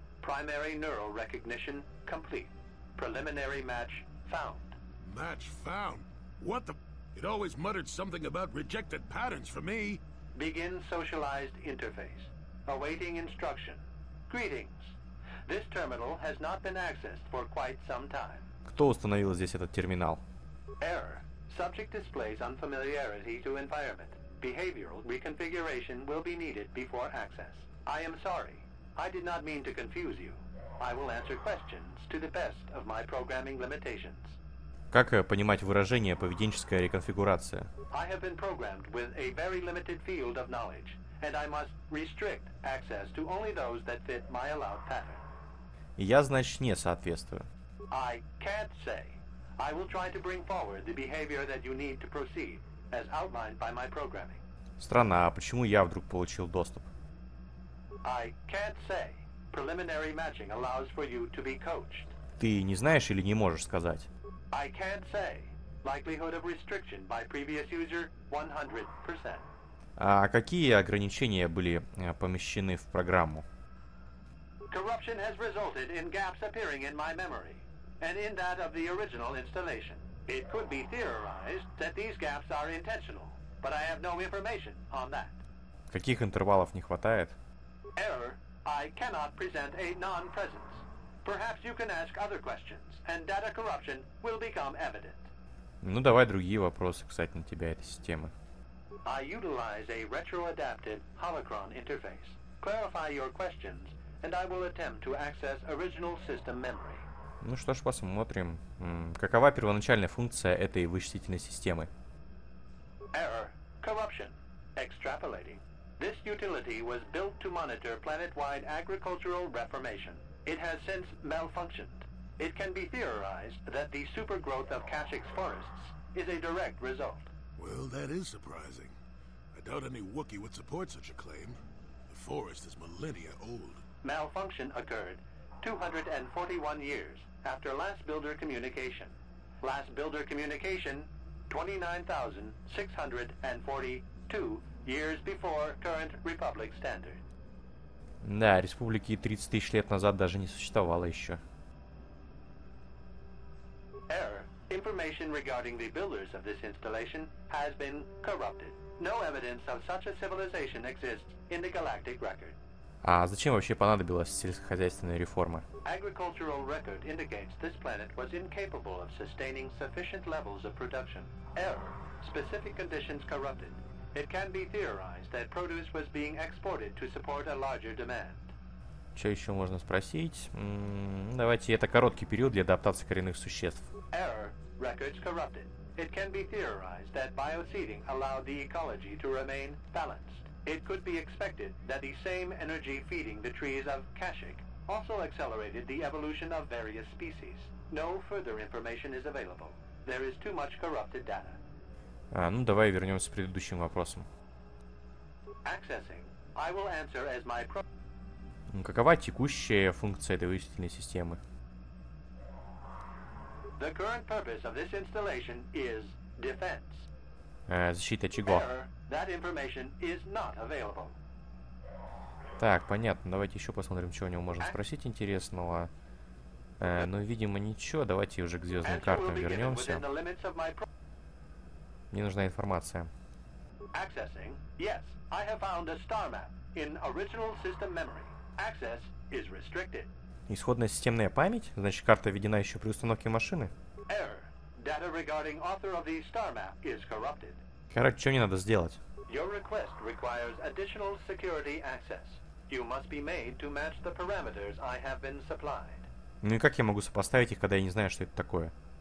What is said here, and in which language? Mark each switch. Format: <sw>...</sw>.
<en>Primary neural recognition complete. Preliminary match found. Match found? What the... It always muttered something about rejected patterns for me. Begin socialized interface. Awaiting instruction. Greetings. This terminal has not been accessed for quite some time.</en> <ru>Кто установил здесь этот терминал?</ru> <en>Error. Subject displays unfamiliarity to environment. Behavioral reconfiguration will be needed before access. I am sorry. I did not mean to confuse you. I will answer questions to the best of my programming limitations.</en> <ru>Как понимать выражение поведенческая реконфигурация?</ru> <en>I have been programmed with a very limited field of knowledge, and I must restrict access to only those that fit my allowed pattern.</en> <ru>Я, значит, не соответствую.</ru> <en>I can't say. I will try to bring forward the behavior that you need to proceed, as outlined by my programming.</en> <ru>Странно, а почему я вдруг получил доступ?</ru> <en>I can't say. Preliminary matching allows for you to be coached.</en> <ru>Ты не знаешь или не можешь сказать?</ru> <en>I can't say. Likelihood of restriction by previous user 100%.</en> <ru>А какие ограничения были помещены в программу?</ru> <en>Corruption has resulted in gaps appearing in my memory. And in that of the original installation. It could be theorized that these gaps are intentional, but I have no information on that.</en> <ru>Каких интервалов не хватает?</ru> <en>Error. I cannot present a non-presence. Perhaps you can ask other questions, and data corruption will become evident.</en> <ru>Ну давай другие вопросы, кстати, на тебя этой системы.</ru> <en>I utilize a retro-adapted holocron interface. Clarify your questions, and I will attempt to access original system memory.</en> <ru>Ну что ж, посмотрим. Какова первоначальная функция этой вычислительной системы?</ru> <en>Error. Corruption. Extrapolating. This utility was built to monitor planet-wide agricultural reformation. It has since malfunctioned. It can be theorized that the supergrowth of Kashyyyk's forests is a direct result. Well, that is surprising. I doubt any Wookiee would support such a claim. The forest is millennia old. Malfunction occurred 241 years. After last builder communication. Last builder communication, 29,642 years before current Republic standard.</en> <ru>Да, республики 30 тысяч лет назад даже не существовало еще.</ru> <en>Error. Information regarding the builders of this installation has been corrupted. No evidence of such a civilization exists in the galactic record.</en> <ru>А зачем вообще понадобилась сельскохозяйственная реформа?</ru> <en>Agricultural record indicates this planet was incapable of sustaining sufficient levels of production. Error. Specific conditions corrupted. It can be theorized that produce was being exported to support a larger demand.</en> <ru>Что еще можно спросить? Давайте, это короткий период для адаптации коренных существ.</ru> <en>Error. Records corrupted. It can be theorized that bioseeding allowed the ecology to remain balanced. It could be expected that the same energy feeding the trees of Kashyyyk also accelerated the evolution of various species. No further information is available. There is too much corrupted data.</en> <ru>Ну давай вернемся к предыдущим вопросам.</ru> <en>Accessing. I will answer as my pro...</en> <ru>Какова текущая функция этой вычислительной системы?</ru> <en>The current purpose of this installation is defense.</en> <ru>Защита чего?</ru> <en>That information is not available.</en> <ru>Так, понятно. Давайте еще посмотрим, что у него можно спросить интересного. Ну, видимо, ничего. Давайте уже к звездным картам вернемся. Мне нужна информация.</ru> <en>Accessing. Yes, I have found a star map in original system memory. Access is restricted.</en> <ru>Исходная системная память? Значит, карта введена еще при установке машины?</ru> <en>Error. Data regarding author of the star map is corrupted.</en> <ru>Короче, что мне надо сделать?</ru> <en>Your request requires additional security access. You must be made to match the parameters I have been supplied.</en> <ru>Ну и как я могу сопоставить их, когда я не знаю, что это такое?</ru>